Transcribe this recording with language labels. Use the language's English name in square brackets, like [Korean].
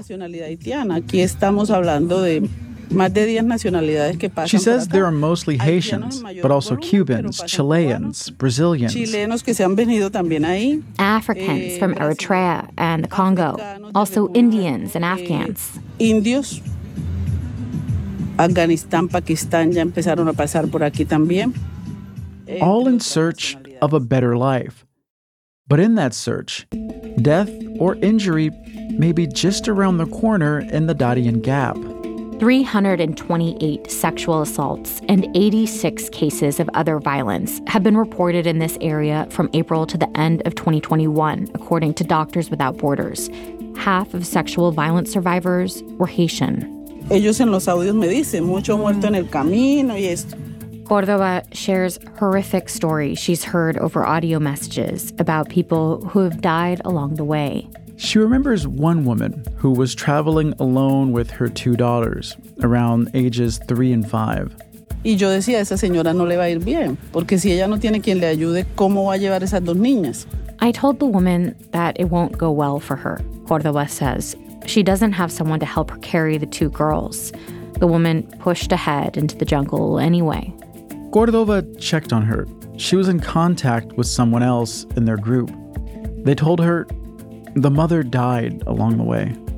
[English] She says there are mostly Haitians, but also Cubans, Chileans, Brazilians, Africans from Eritrea and the Congo, also Indians and Afghans. [Spanish] Indios. Afghanistan, Pakistan ya empezaron a pasar por aquí también. [English] All in search of a better life. But in that search, death or injury may be just around the corner in the Darién Gap. 328 sexual assaults and 86 cases of other violence have been reported in this area from April to the end of 2021, according to Doctors Without Borders. Half of sexual violence survivors were Haitian. [Spanish] Ellos en los audios me dicen, mucho muerto en el camino y esto. [English] Cordova shares horrific stories she's heard over audio messages about people who have died along the way. She remembers one woman who was traveling alone with her two daughters, around ages 3 and 5. [Spanish] Y yo decía, esa señora no le va a ir bien, porque si ella no tiene quien le ayude, ¿cómo va a llevar esas dos niñas? [English] I told the woman that it won't go well for her, Cordova says. She doesn't have someone to help her carry the two girls. The woman pushed ahead into the jungle anyway. Cordova checked on her. She was in contact with someone else in their group. They told her the mother died along the way.